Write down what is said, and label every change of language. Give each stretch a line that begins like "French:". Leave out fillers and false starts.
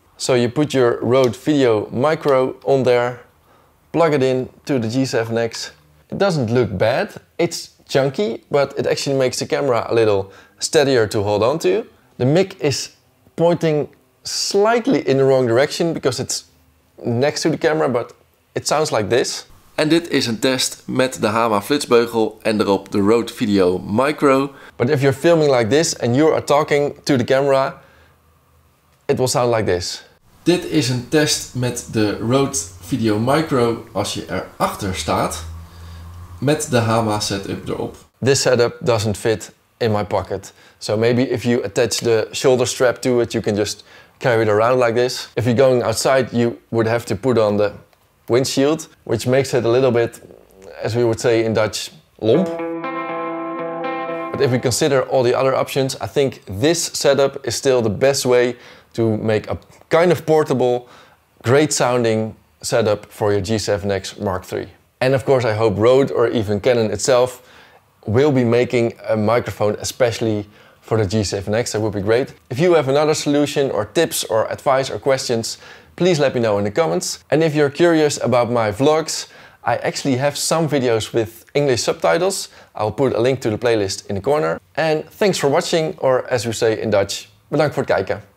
English: So you put your Rode Video Micro on there, plug it in to the G7X. It doesn't look bad. It's chunky, but it actually makes the camera a little steadier to hold on to. The mic is pointing slightly in the wrong direction because it's next to the camera, but it sounds like this.
Dutch: En dit is een test met de Hama flitsbeugel en erop de Rode Video Micro.
English: But if you're filming like this and you are talking to the camera, it will sound like this.
Dutch: Dit is een test met de Rode Video Micro als je erachter staat met de Hama setup erop.
English: This setup doesn't fit in my pocket. So maybe if you attach the shoulder strap to it, you can just carry it around like this. If you're going outside, you would have to put on the windshield, which makes it a little bit, as we would say in Dutch, lomp. But if we consider all the other options, I think this setup is still the best way to make a kind of portable, great sounding setup for your G7X Mark III. And of course, I hope Rode or even Canon itself will be making a microphone especially for the G7X. That would be great. If you have another solution or tips or advice or questions, please let me know in the comments. And if you're curious about my vlogs, I actually have some videos with English subtitles. I'll put a link to the playlist in the corner. And thanks for watching, or as we say in Dutch,
Dutch: bedankt voor het kijken.